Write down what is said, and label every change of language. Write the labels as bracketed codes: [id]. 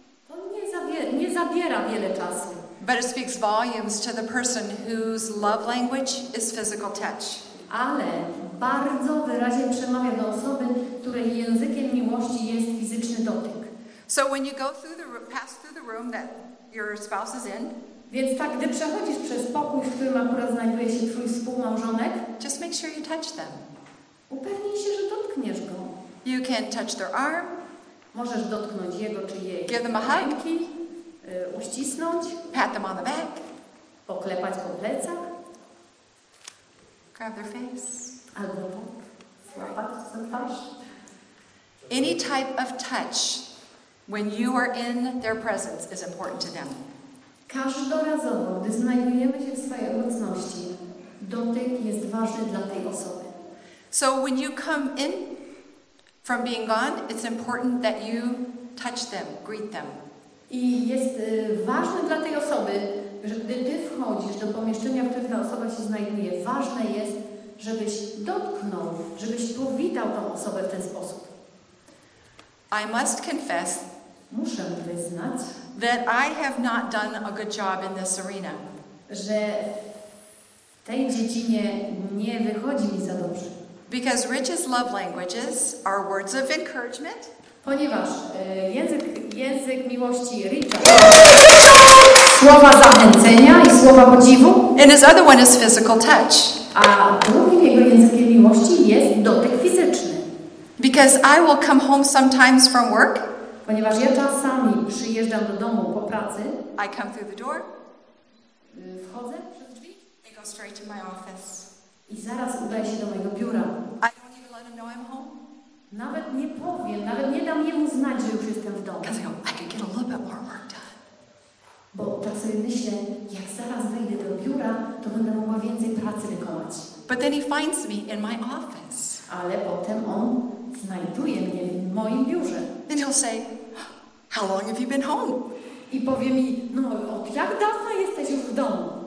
[pl] To nie zabiera wiele czasu. [en] But it speaks volumes to the person whose love language is physical touch. [pl] Ale bardzo wyraźnie przemawia do osoby, której językiem miłości jest fizyczny dotyk. [en] So when you go through the pass through the room that your spouse is in, [pl] więc tak, gdy przechodzisz przez pokój, w którym akurat znajduje się twój współmałżonek, [en] just make sure you touch them. [pl] Upewnij się, że dotkniesz go. [en] You can touch their arm, [pl] Możesz dotknąć jego czy jej [en] give them a hug, [pl] ręki, uścisnąć, [en] pat them on the back, [pl] poklepać po plecach, [en] grab their face, [pl] albo złapać za twarz. [en] Any type of touch when you are in their presence is important to them. [pl] Każdorazowo, gdy znajdujemy się w swojej obecności, dotyk jest ważny dla tej osoby. [en] So when you come in from being gone, it's important that you touch them, greet them. [pl] I jest ważne dla tej osoby, że gdy ty wchodzisz do pomieszczenia, w którym ta osoba się znajduje, ważne jest, żebyś dotknął, żebyś powitał tą osobę w ten sposób. [en] I must confess, [pl] muszę wyznać, [en] that I have not done a good job in this arena. [pl] Że w tej dziedzinie nie wychodzi mi za dobrze. [en] Because Rich's love languages are words of encouragement. [pl] Ponieważ język miłości Richa. Słowa zachęcenia i słowa podziwu. [en] And his other one is physical touch. [pl] A drugim jego językiem miłości jest dotyk fizyczny. [en] Because I will come home sometimes from work. [pl] Ponieważ ja czasami przyjeżdżam do domu po pracy. [en] I come through the door. [pl] Wchodzę przez drzwi. [en] They go straight to my office. [pl] I zaraz udaję się do mojego biura. [en] I don't even let him know I'm home. [pl] Nawet nie powiem, nawet nie dam jemu znać, że już jestem w domu. [en] Because I go, I could get a little bit more work done. [pl] Bo tak sobie myślę, jak zaraz wyjdę do biura, to będę mogła więcej pracy wykonać. [en] But then he finds me in my office. [pl] Ale potem on znajduje mnie w moim biurze. [en] And he'll say, how long have you been home? [pl] I powie mi, no od jak dawna jesteś już w domu?